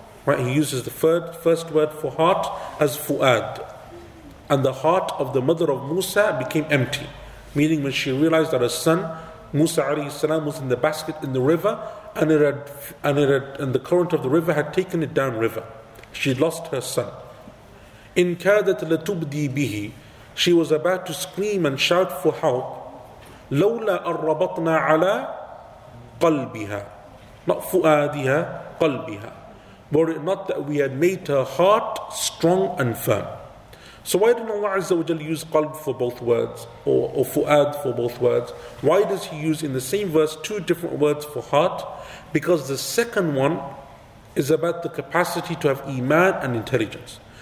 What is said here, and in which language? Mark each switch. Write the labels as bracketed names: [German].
[English] Right? He uses the first word for heart as fu'ad. And the heart of the mother of Musa became empty. Meaning when she realized that her son, Musa alayhi salam, was in the basket in the river, and the current of the river had taken it down river. She'd lost her son. [Arabic] In كَادَتْ لَتُبْدِي بِهِ. [English] She was about to scream and shout for help. [Arabic] لَوْلَا أَرَّبَطْنَا عَلَىٰ قَلْبِهَا. [English] Not [Arabic] فُؤَادِهَا, قَلْبِهَا. [English] Were it not that we had made her heart strong and firm. So why didn't Allah Azza wa Jalla use qalb for both words, or fu'ad for both words? Why does he use in the same verse two different words for heart? Because the second one is about the capacity to have iman and intelligence.